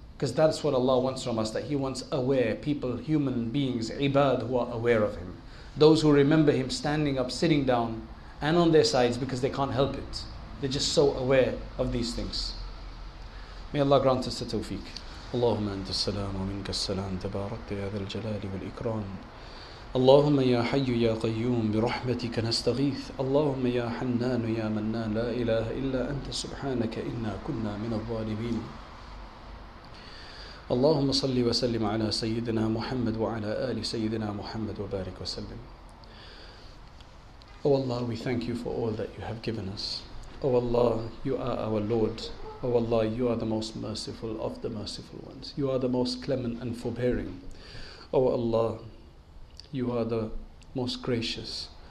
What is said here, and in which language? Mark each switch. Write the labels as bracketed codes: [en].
[en] Because that's what Allah wants from us, that He wants aware people, human beings, ibad, who are aware of Him. Those who remember Him standing up, sitting down, and on their sides because they can't help it. They're just so aware of these things. May Allah grant us the tawfiq. [ar] Allahumma anta salam wa minka salam tabarakta ya dhal jalal wal ikram. اللهم يا حي يا قيوم برحمتك نستغيث اللهم يا حنان يا منان لا إله إلا أنت سبحانك إنا كنا من الظالمين اللهم صل وسلم على سيدنا محمد وعلى آل سيدنا محمد وبارك وسلم. [en] Oh Allah, we thank you for all that you have given us. Oh Allah, you are our Lord. Oh Allah, you are the most merciful of the merciful ones. You are the most clement and forbearing. Oh Allah, you are the most gracious.